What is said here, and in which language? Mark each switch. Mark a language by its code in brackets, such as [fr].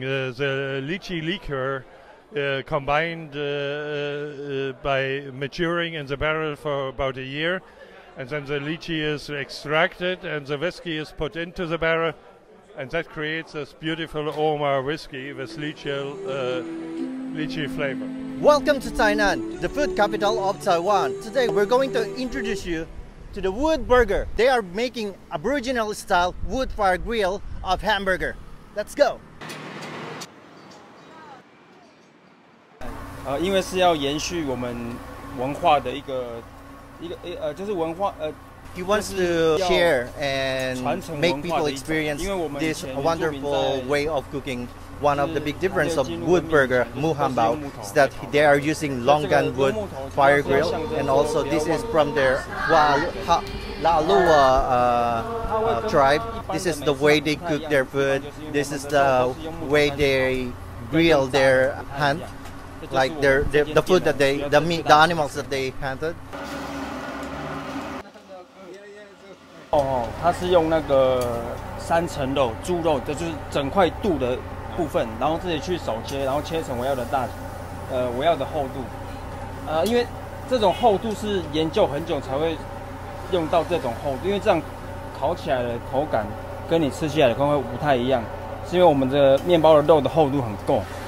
[en] The lychee liquor combined by maturing in the barrel for about a year, and then the lychee is extracted and the whiskey is put into the barrel, and that creates this beautiful Omar whiskey with lychee flavor. Welcome to Tainan, the food capital of Taiwan. Today we're going to introduce you to the wood burger. They are making Aboriginal style wood fire grill of hamburger. Let's go. [zh] 因为是要延续我们文化的一个就是文化 [en] He wants to share and make people experience this wonderful way of cooking. One of the big differences of wood burger, muhambao, is that they are using longan wood fire grill. And also this is from their Laalua tribe. This is the way they cook their food. This is the way they grill their hunt. Like the food that they, the animals that they hunted. [zh] 哦，它是用那个三层肉，猪肉，就是整块肚的部分，然后自己去手切，然后切成我要的大，我要的厚度。因为这种厚度是研究很久才会用到这种厚度，因为这样烤起来的口感跟你吃起来的口感会不太一样，是因为我们的面包的肉的厚度很够。